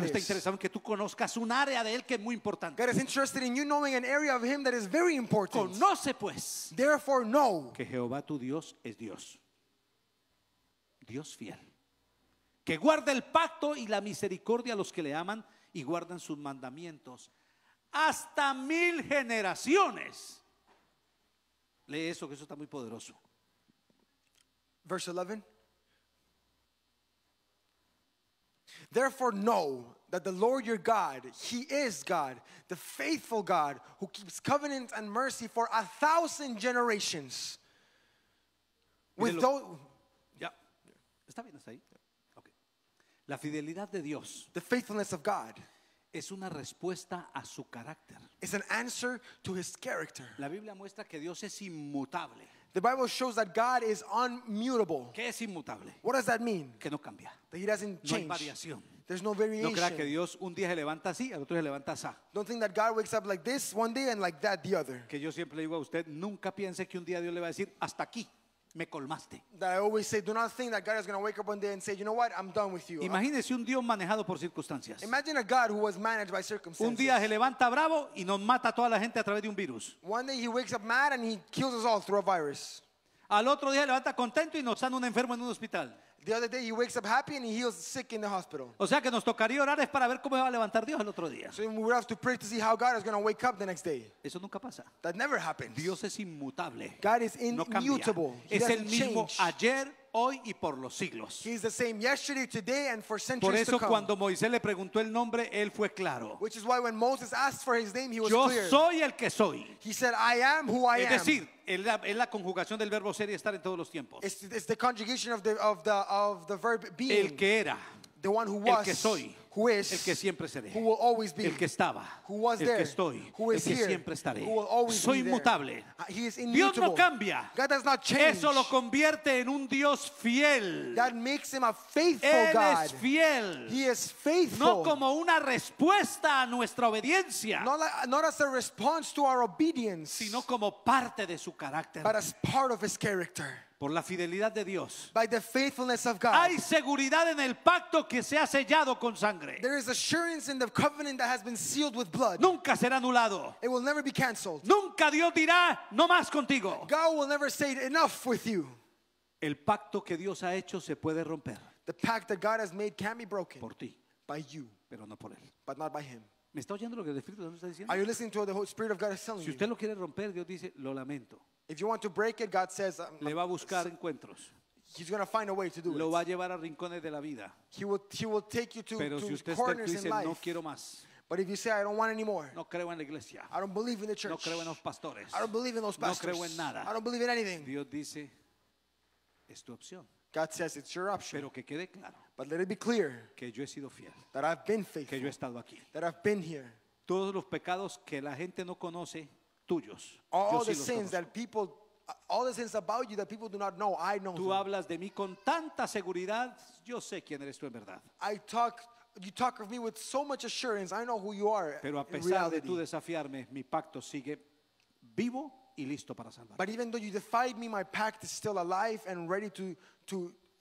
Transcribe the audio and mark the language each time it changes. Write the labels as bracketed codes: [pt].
[es] Dios está interesado en que tú conozcas un área de él que es muy importante. [en] God is interested in you knowing an area of him that is very important. [es] Conoce pues. [en] Therefore know. [es] Que Jehová tu Dios es Dios. Dios fiel. Que guarda el pacto y la misericordia a los que le aman y guardan sus mandamientos hasta mil generaciones. Lee eso, que eso está muy poderoso. [en] Verse 11. Therefore know that the Lord your God, he is God, the faithful God who keeps covenant and mercy for a thousand generations. With those, yeah. [es] Está bien, está ahí. [en] Okay. [es] La fidelidad de Dios. [en] The faithfulness of God. [es] Es una respuesta a su carácter. [en] It's an answer to his character. [es] La Biblia muestra que Dios es inmutable. [en] The Bible shows that God is unmutable. [es] ¿Qué es inmutable? [en] What does that mean? [es] Que no cambia. [en] That he doesn't change. [es] No hay variación. [en] There's no variation. [es] No crea que Dios un día se levanta así, al otro se levanta así. [en] Don't think that God wakes up like this one day and like that the other. [es] Que yo siempre digo a usted, nunca piense que un día Dios le va a decir, hasta aquí, me colmaste. [en] That I always say, do not think that God is going to wake up one day and say, you know what, I'm done with you. [es] Imagínese un Dios manejado por circunstancias. [en] Imagine a God who was managed by circumstances. [es] Un día se levanta bravo y nos mata a toda la gente a través de un virus. [en] One day he wakes up mad and he kills us all through a virus. [es] Al otro día levanta contento y nos sana un enfermo en un hospital. [en] The other day he wakes up happy and he heals sick in the hospital. [es] O sea que nos tocaría orar es para ver cómo va a levantar Dios el otro día. [en] So we have to pray to see how God is going to wake up the next day. [es] Eso nunca pasa. [en] That never happens. [es] Dios es inmutable. [en] God is immutable. [es] Es el mismo ayer, hoy y por los siglos. [en] He's the same yesterday, today and for centuries to come. [es] Por eso cuando Moisés le preguntó el nombre, él fue claro. [en] Which is why when Moses asked for his name, he was [es] Yo [en] clear. [es] Yo soy el que soy. [en] He said, I am who I am. [es] Es decir, es la conjugación del verbo ser y estar en todos los tiempos. [en] It's the conjugation of the verb being. [es] El que era. [en] The one who was. [es] El que soy. [en] Who is. [es] El que siempre seré. [en] Who will always be. [es] El que estaba. [en] Who was there. [es] El que estoy. [en] Who is here. [es] El que siempre estaré. [en] Who will always be there. [es] Soy inmutable. [en] He is immutable. [es] Dios no cambia. [en] God does not change. [es] Eso lo convierte en un Dios fiel. [en] That makes him a faithful God. [es] Él es fiel. [en] He is faithful. [es] No como una respuesta a nuestra obediencia. [en] Not as a response to our obedience. [es] Sino como parte de su carácter. [en] But as part of his character. [es] Por la fidelidad de Dios. [en] By the faithfulness of God. [es] Hay seguridad en el pacto que se ha sellado con sangre. [en] There is assurance in the covenant that has been sealed with blood. [es] Nunca será anulado. [en] It will never be canceled. [es] Nunca Dios dirá no más contigo. [en] God will never say enough with you. [es] El pacto que Dios ha hecho se puede romper. [en] The pact that God has made can be broken. [es] Por ti. [en] By you. [es] Pero no por él. [en] But not by him. [es] ¿Me está oyendo lo que el Espíritu de Dios está diciendo? [en] Are you listening to what the Holy Spirit of God is telling you? [es] Si usted lo quiere romper, Dios dice, lo lamento. [en] If you want to break it, God says, [es] le va a buscar encuentros. [en] He's going to find a way to do [es] lo [en] it. [es] Lo va a llevar a rincones de la vida. [en] He will take you to [es] Pero [en] to [es] si usted [en] corners [es] está dice, [en] in life. [es] No quiero más. [en] But if you say, I don't want anymore. [es] No creo en la iglesia. [en] I don't believe in the church. [es] No creo en los pastores. [en] I don't believe in those pastors. [es] No creo en nada. [en] I don't believe in anything. [es] Dios dice, es tu opción. [en] God says, it's your option. [es] Pero que quede claro. [en] But let it be clear. [es] Que yo he sido fiel. [en] That I've been faithful. [es] Que yo he estado aquí. [en] That I've been here. [es] Todos los pecados que la gente no conoce. Tuyos. [en] All [es] Yo [en] the [es] sí [en] sins [es] conozco. [en] That people, all the sins about you that people do not know, I know. [es] Tú hablas de mí con tanta seguridad. Yo sé quién eres tú en verdad. [en] You talk of me with so much assurance. I know who you are. [es] Pero a pesar de tú desafiarme, mi pacto sigue vivo y listo para salvar. [en] But even though you defied me, my pact is still alive and ready to